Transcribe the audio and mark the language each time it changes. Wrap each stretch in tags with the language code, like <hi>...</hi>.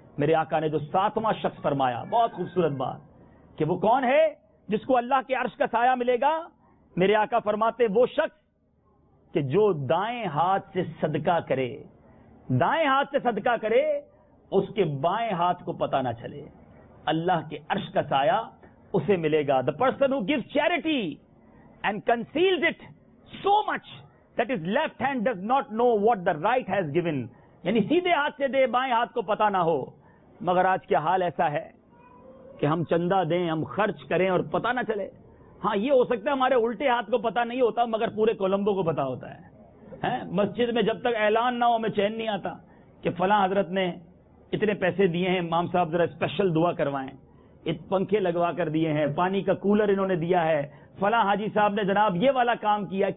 <ur>میرے آقا نے جو ساتواں شخص فرمایا، بہت خوبصورت بات، کہ وہ کون ہے جس کو اللہ کے عرش کا سایہ ملے گا؟ میرے آقا فرماتے، وہ شخص کہ جو دائیں ہاتھ سے صدقہ کرے، دائیں ہاتھ سے صدقہ کرے، اس کے بائیں ہاتھ کو پتا نہ چلے، اللہ کے عرش کا سایہ اسے ملے گا.</ur> <en>The person who gives charity and conceals it so much that his left hand does not know what the right has given.</en> <ur>یعنی سیدھے ہاتھ سے دے، بائیں ہاتھ کو پتا نہ ہو. مگر آج کیا حال ایسا ہے کہ ہم چندہ دیں، ہم خرچ کریں اور پتا نہ چلے. ہاں یہ ہو سکتا ہے ہمارے الٹے ہاتھ کو پتا نہیں ہوتا، مگر پورے کولمبو کو پتا ہوتا ہے. مسجد میں جب تک اعلان نہ ہو ہمیں چین نہیں آتا کہ فلاں حضرت نے اتنے پیسے دیے ہیں، امام صاحب ذرا اسپیشل دعا کروائیں، ایک پنکھے لگوا کر دیے ہیں، پانی کا کولر انہوں نے دیا ہے، فلاں حاجی صاحب نے جناب یہ والا کام کیا.</ur>